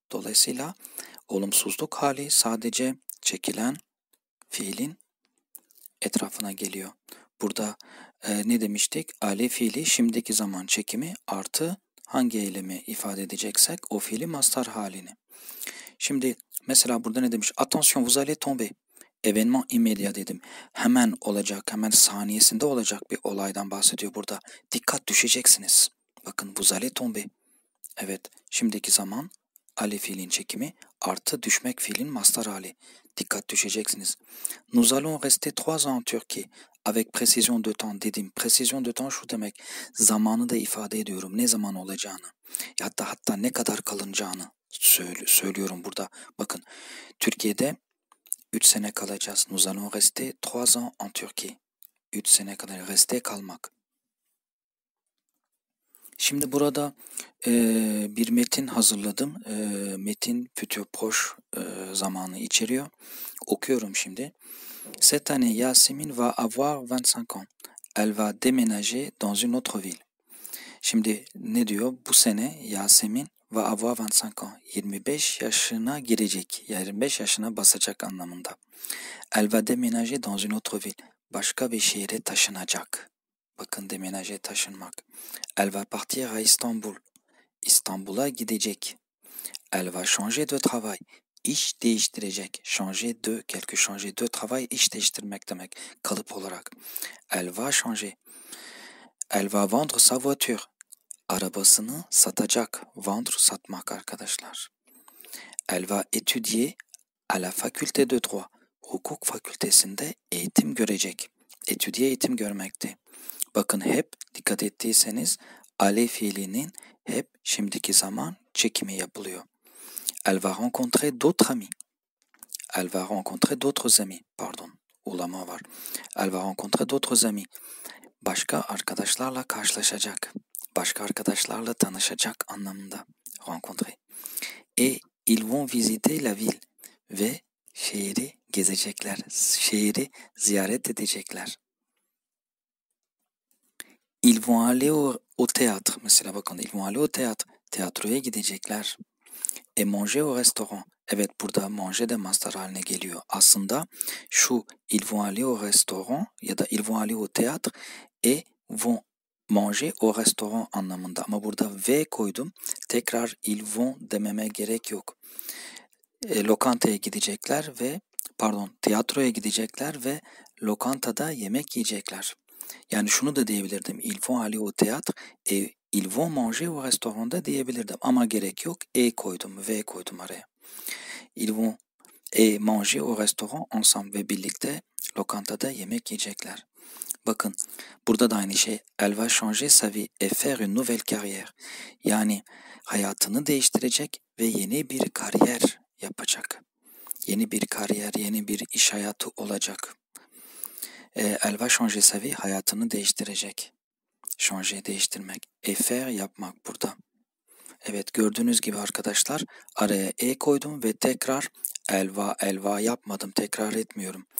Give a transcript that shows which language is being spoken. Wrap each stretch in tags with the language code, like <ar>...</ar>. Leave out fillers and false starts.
<tr>Dolayısıyla olumsuzluk hali sadece çekilen fiilin etrafına geliyor. Burada ne demiştik? Aile fiili şimdiki zaman çekimi artı hangi eylemi ifade edeceksek o fiili mastar halini. Şimdi mesela burada ne demiş?</tr> <fr>Attention, vous allez tomber. Événement immédiat dedim.</fr> <tr>Hemen olacak, hemen saniyesinde olacak bir olaydan bahsediyor burada. Dikkat, düşeceksiniz.</tr> <fr>Bakın, vous allez tomber.</fr> <tr>Evet, şimdiki zaman aile fiilin çekimi artı düşmek fiilin mastar hali. Dikkat, düşeceksiniz.</tr> <fr>Nous allons rester 3 ans en Turquie. Avec précision de temps dedim. Précision de temps</fr> <tr>şu demek. Zamanı da ifade ediyorum. Ne zaman olacağını. Hatta ne kadar kalınacağını söylüyorum burada. Bakın, Türkiye'de 3 sene kalacağız.</tr> <fr>Nous allons rester 3 ans en Turquie.</fr> <tr>3 sene kadar rester kalmak. Şimdi burada bir metin hazırladım. Metin futur proche zamanı içeriyor. Okuyorum şimdi.</tr> <fr>Cette année, Yasemin va avoir 25 ans. Elle va déménager dans une autre ville.</fr> <tr>Şimdi ne diyor? Bu sene Yasemin</tr> <fr>va avoir 25 ans.</fr> <tr>25 yaşına girecek. 25 yaşına basacak anlamında.</tr> <fr>Elle va déménager dans une autre ville.</fr> <tr>Başka bir şehre taşınacak. Bakın, déménager, taşınmak.</tr> <fr>Elle va partir à Istanbul.</fr> <tr>İstanbul'a gidecek.</tr> <fr>Elle va changer de travail.</fr> <tr>İş değiştirecek. Changer de, quelque changer de travail, iş değiştirmek demek kalıp olarak. Elle va changer. Elle va vendre sa voiture. Arabasını satacak. Vendre, satmak arkadaşlar.</tr> <fr>Elle va étudier à la faculté de droit.</fr> <tr>Hukuk fakültesinde eğitim görecek. Étudier, eğitim görmekte. Bakın, hep dikkat ettiyseniz ale fiilinin hep şimdiki zaman çekimi yapılıyor.</tr> <fr>Elle va rencontrer d'autres amis. Elle va rencontrer d'autres amis. Pardon,</fr> <tr>ulama var.</tr> <fr>Elle va rencontrer d'autres amis.</fr> <tr>Başka arkadaşlarla karşılaşacak. Başka arkadaşlarla tanışacak anlamında.</tr> <fr>Rencontrer. Et ils vont visiter la ville.</fr> <tr>Ve şehri gezecekler. Şehri ziyaret edecekler.</tr> <fr>Ils vont aller au théâtre.</fr> <tr>Mesela bakın,</tr> <fr>ils vont aller au théâtre.</fr> <tr>Tiyatroya gidecekler.</tr> <fr>Et manger au restaurant.</fr> <tr>Evet, burada manger de mastar haline geliyor. Aslında şu</tr> <fr>ils vont aller au restaurant ya da ils vont aller au théâtre et vont manger au restaurant</fr> <tr>anlamında. Ama burada V koydum. Tekrar ils vont dememe gerek yok. Lokantaya gidecekler ve pardon, tiyatroya gidecekler ve lokantada yemek yiyecekler. Yani şunu da diyebilirdim.</tr> <fr>Ils vont aller au théâtre et ils vont manger au restaurant</fr> <tr>da diyebilirdim. Ama gerek yok. E koydum, V koydum araya.</tr> <fr>Ils vont manger au restaurant ensemble</fr> <tr>ve birlikte lokantada yemek yiyecekler. Bakın, burada da aynı şey.</tr> <fr>Elle va changer sa vie et faire une nouvelle carrière.</fr> <tr>Yani hayatını değiştirecek ve yeni bir kariyer yapacak. Yeni bir kariyer, yeni bir iş hayatı olacak.</tr> <fr>Elle va changer sa vie,</fr> <tr>hayatını değiştirecek. Changer, değiştirmek. Faire, yapmak burada. Evet, gördüğünüz gibi arkadaşlar, araya e koydum ve tekrar</tr> <fr>elle va</fr> <tr>yapmadım, tekrar etmiyorum.</tr>